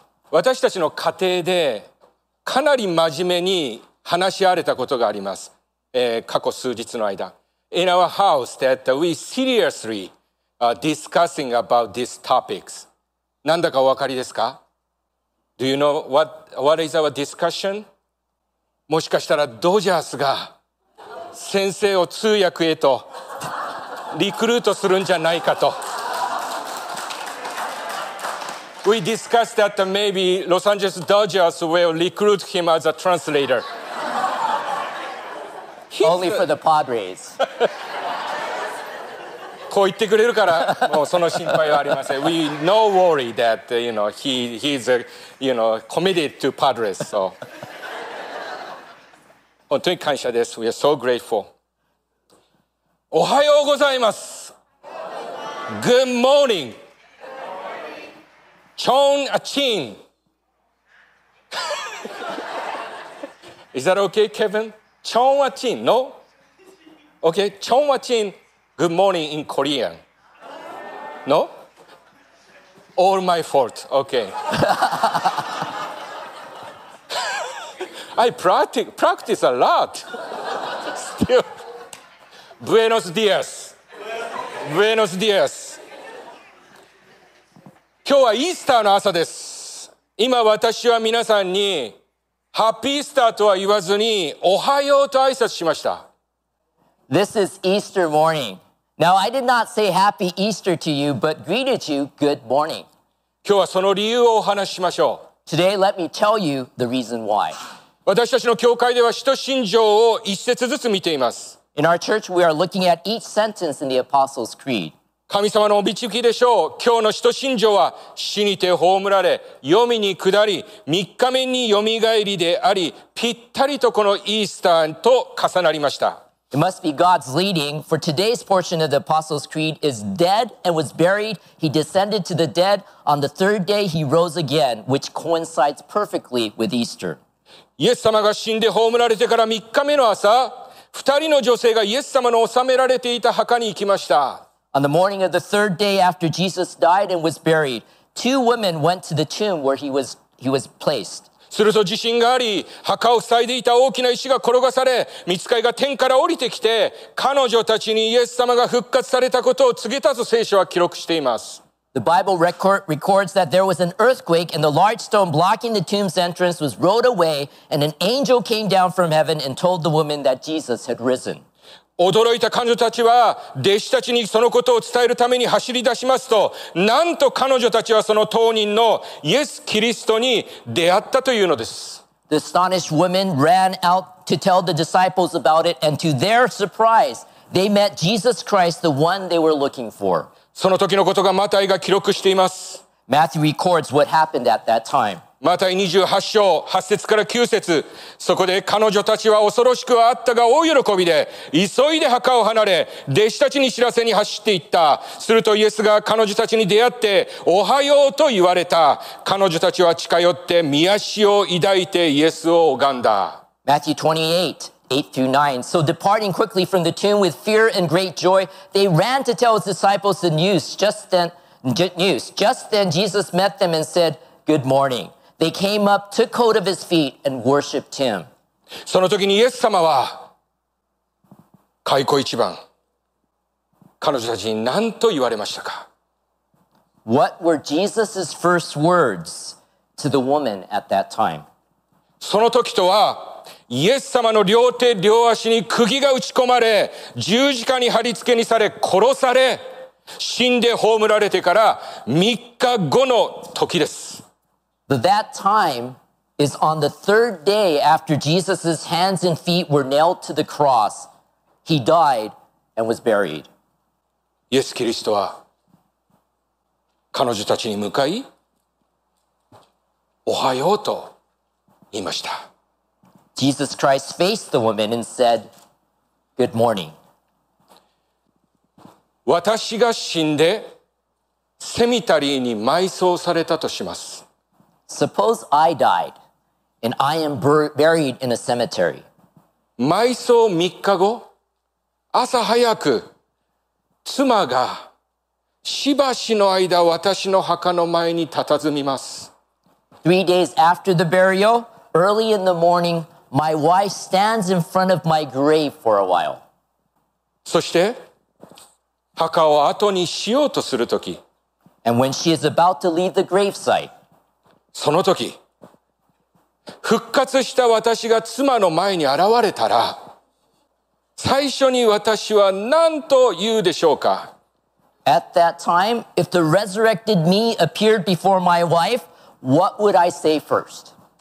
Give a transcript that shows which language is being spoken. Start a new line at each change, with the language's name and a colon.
Japanese: 私たちの家庭でかなり真面目に話し合われたことがあります、過去数日の間。
English: In our house that we seriously、discussing about these topics。
Japanese: なんだかお分かりですか？
English: Do you know what is our discussion?
Japanese: もしかしたらドジャースが先生を通訳へとリクルートするんじゃないかと。
English: We discussed that maybe Los Angeles Dodgers will recruit him as a translator. Only for the Padres.
Japanese: こう言ってくれるからもうその心配はありません。
English: We no worry that you know he's you know committed to Padres. So.
Japanese: 本当に感謝です。
English: We are so grateful.
Japanese: おはようございます。
English: Good morning.
Korean: チョンアチン。
English: Is that okay, Kevin?
Korean: チョンアチン、
English: no? Okay, チョンアチン、good morning in Korean. No? All my fault, okay. I practice a lot. Still.
Spanish: Buenos dias. Buenos dias.
Japanese: 今日はイースターの朝です。今私は皆さんにハッピースターとは言わずにおはようと挨拶しました。
English: This is Easter morning. Now I did not say happy Easter to you, but greeted you good morning.
Japanese: 今日はその理由をお話ししましょう。
English: Today let me tell you the reason why.
Japanese: 私たちの教会では使徒信条を一節ずつ見ています。
English: In our church, we are looking at each sentence in the Apostles' Creed.
Japanese: 神様のお導きでしょう。今日の使徒信条は死にて葬られ、黄泉に下り、三日目によみがえりであり、ぴったりとこのイースターと重なりました。
English: It must be God's leading, for today's portion of the Apostles' Creed is dead and was buried. He descended to the dead. On the third day, he rose again, which coincides perfectly with Easter.
Japanese: イエス様が死んで葬られてから3日目の朝、2人の女性がイエス様の納められていた墓に行きました。
English: On the morning of the third day after Jesus died and was buried, two women went to the tomb where he was placed.
Japanese: すると地震があり、墓を塞いでいた大きな石が転がされ、御使いが天から降りてきて、彼女たちにイエス様が復活されたことを告げたと聖書は記録しています。
English: The Bible records that there was an earthquake and the large stone blocking the tomb's entrance was rolled away and an angel came down from heaven and told the woman that Jesus had risen.
Japanese: 驚いた彼女たちは弟子たちにそのことを伝えるために走り出しますと、なんと彼女たちはその当人のイエス・キリストに出会ったというのです。
English: The astonished women ran out to tell the disciples about it and to their surprise, they met Jesus Christ, the one they were looking for.
Japanese: その時のことがマタイが記録しています。
English: Matthew records what happened at that time.
Japanese: マタイ28章8節から9節。そこで彼女たちは恐ろしくはあったが大喜びで、急いで墓を離れ、弟子たちに知らせに走っていった。するとイエスが彼女たちに出会って、おはようと言われた。彼女たちは近寄って、見足を抱いてイエスを拝んだ。
English: Matthew 28. 8 through 9. So departing quickly from the tomb with fear and great joy, they ran to tell his disciples the news. Just then Jesus met them and said, Good morning. They came up, took hold of his feet and worshiped him.
Japanese: その時にイエス様は開口一番彼女たちに何と言われましたか?
English: What were Jesus' first words to the woman at that time?
Japanese: その時とはイエス様の両手両足に釘が打ち込まれ、十字架に貼り付けにされ、殺され、死んで葬られてから3日後の時です。
English: That time is on the third day after Jesus' hands and feet were nailed to the cross. He died and was buried.
Japanese: イエス・キリストは彼女たちに向かい、おはようと言いました。
English: Jesus Christ faced the woman and said, Good morning.
Japanese: 私が死んでセミタリーに埋葬されたとします。
English: Suppose I died and I am buried in a cemetery.
Japanese: 埋葬3日後、朝早く、妻がしばしの間私の墓の前に佇みます。
English: 3 days after the burial, early in the morning, my wife stands in front of my grave for a while.
Japanese: そして、墓を後にしようとするとき、
English: And when she is about to leave the gravesite,
Japanese: その時、復活した私が妻の前に現れたら、最初に私は何と言うでしょうか?
English: At that time, if the resurrected me appeared before my wife, what would I say first?